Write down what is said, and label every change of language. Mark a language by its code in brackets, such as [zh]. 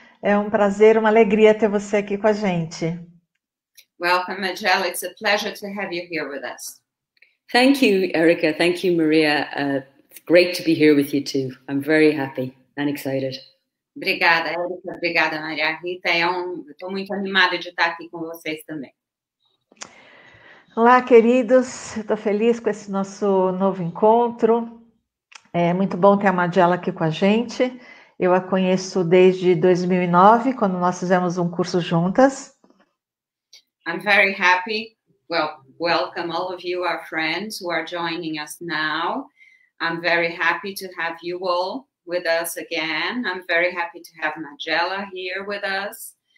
[pt] É um prazer, uma alegria ter você aqui com a gente. [en] Welcome, Majella. It's a pleasure to have you here with us. Thank you, Erica. Thank you, Maria. It's great to be here with you too. I'm very happy and excited. [pt] Obrigada, Erica. Obrigada, Maria Rita. Estou muito animada de estar aqui com vocês também. Olá, queridos. Estou feliz com esse nosso novo encontro. É muito bom ter a Majella aqui com a gente. Eu a conheço desde 2009, quando nós fizemos um curso juntas. [en] I'm very happy. Well, welcome all of you, our friends who are joining us now. I'm very happy to have you all with us again. I'm very happy to have Majella here with us.